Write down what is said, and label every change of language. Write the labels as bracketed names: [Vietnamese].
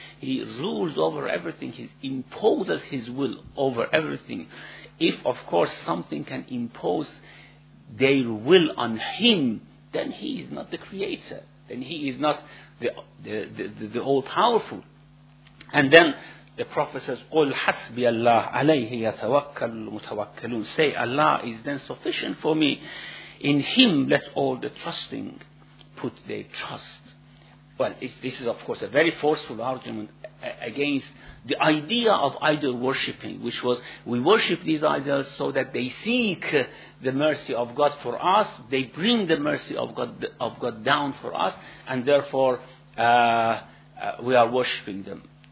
[English] He rules over everything. He imposes His will over everything. If, of course, something can impose their will on Him, then He is not the creator. Then He is not the all-powerful. And then the Prophet says, [Arabic] قُلْ حَسْبِيَ اللَّهِ عَلَيْهِ يَتَوَكَّلُ الْمُتَوَكَّلُونَ. [English] Say, Allah is then sufficient for me. In Him let all the trusting put their trust. Well, this is of course a very forceful argument against the idea of idol worshipping, which was, we worship these idols so that they seek the mercy of God for us, they bring the mercy of God down for us, and therefore we are worshipping them.